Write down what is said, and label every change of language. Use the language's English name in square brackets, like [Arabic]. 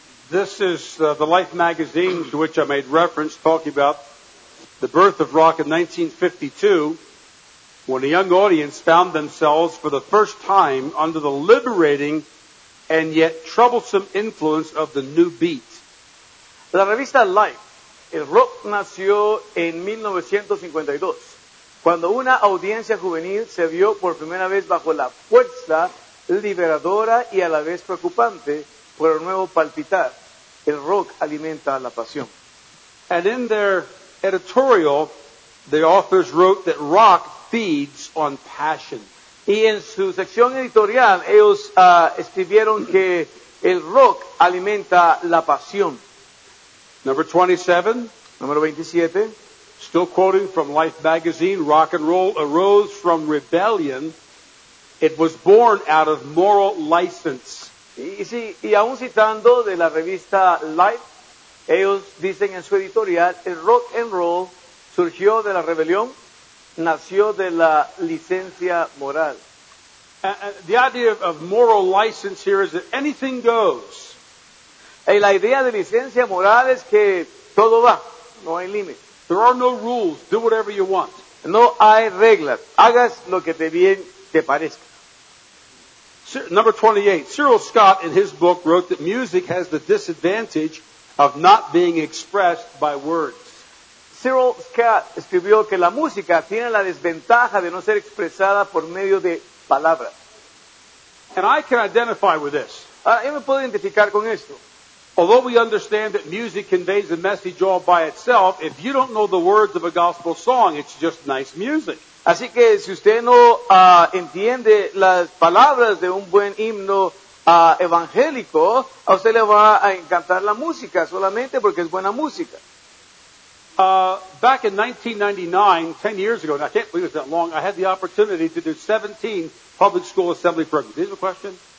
[English] This is the Life magazine to which I made reference, talking about the birth of rock in 1952, when a young audience found themselves for the first time under the liberating and yet troublesome influence of the new beat. [Spanish] La revista Life, el rock nació en 1952, cuando una audiencia juvenil se vio por primera vez bajo la fuerza liberadora y a la vez preocupante por el nuevo palpitar. El rock alimenta la pasión. [English] And in their editorial, the authors wrote that rock feeds on passion. [Spanish] Y en su sección editorial, ellos escribieron que el rock alimenta la pasión. [English] Number 27. [Spanish] Número 27. [English] Still quoting from Life magazine, rock and roll arose from rebellion. It was born out of moral license. [Spanish] Y aún citando de la revista Life, ellos dicen en su editorial, el rock and roll surgió de la rebelión, nació de la licencia moral. [English] The idea of moral license here is that anything goes. [Spanish] Y la idea de licencia moral es que todo va, no hay límite. [English] There are no rules, do whatever you want. [Spanish] No hay reglas, hagas lo que bien te parezca. [English] Number 28, Cyril Scott in his book wrote that music has the disadvantage of not being expressed by words. [Spanish] Cyril Scott escribió que la música tiene la desventaja de no ser expresada por medio de palabras. [English] And I can identify with this. [Spanish] Yo me puedo identificar con esto. [English] Although we understand that music conveys a message all by itself, if you don't know the words of a gospel song, it's just nice music. [Spanish] Así que si usted no entiende las palabras de un buen himno evangélico, a usted le va a encantar la música solamente porque es buena música. [English] Back in 1999, 10 years ago, and I can't believe it's that long, I had the opportunity to do 17 public school assembly programs. Do you have a question?